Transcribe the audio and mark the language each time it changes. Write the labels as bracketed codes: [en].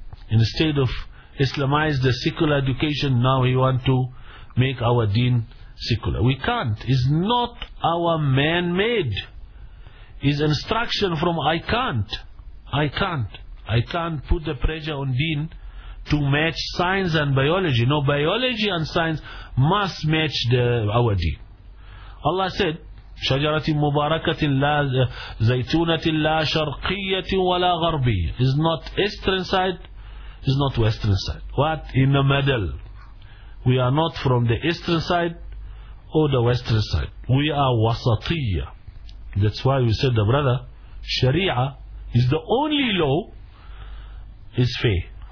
[en] Instead of Islamize the secular education, now we want to make our deen secular. We can't. It's not our man-made. It's instruction from I can't. I can't. I can't put the pressure on Deen to match science and biology. No, biology and science must match the our Deen. Allah said, [ar] شجرة مباركة لا زيتونة لا شرقية ولا غربية. [en] It's not eastern side, it's not western side. What? In the middle. We are not from the eastern side or the western side. We are وسطية. That's why we said, the brother, Sharia is the only law is fair.